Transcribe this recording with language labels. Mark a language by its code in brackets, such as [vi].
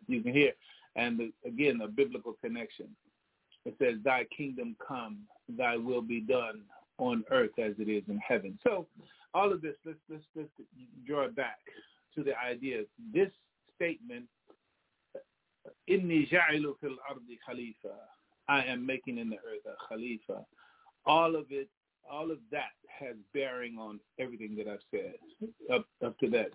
[en] You can hear, and again, a biblical connection. It says, thy kingdom come, thy will be done on earth as it is in heaven. So all of this, let's draw it back to the idea. This statement, [ar] إِنِّي جَعِلُ فِي الْأَرْضِ خَلِيفَةً, [en] I am making in the earth a Khalifa. All of it, all of that has bearing on everything that I've said up to that.